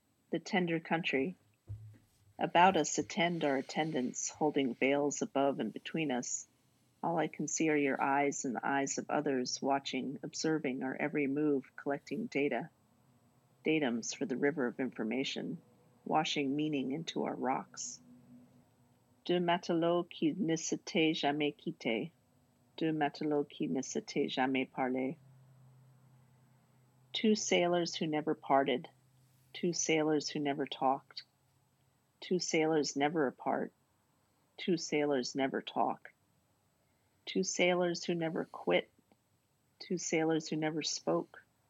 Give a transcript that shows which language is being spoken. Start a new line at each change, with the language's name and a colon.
English: The Tender Country. About us attend our attendants, holding veils above and between us. All I can see are your eyes and the eyes of others watching, observing our every move, collecting data. Datums for the river of information, washing meaning into our rocks.
French: Deux matelots qui ne s'étaient jamais quittés. Deux matelots qui ne s'étaient jamais parlés.
English: Two sailors who never parted. Two sailors who never talked. Two sailors never apart. Two sailors never talk. Two sailors who never quit. Two sailors who never spoke.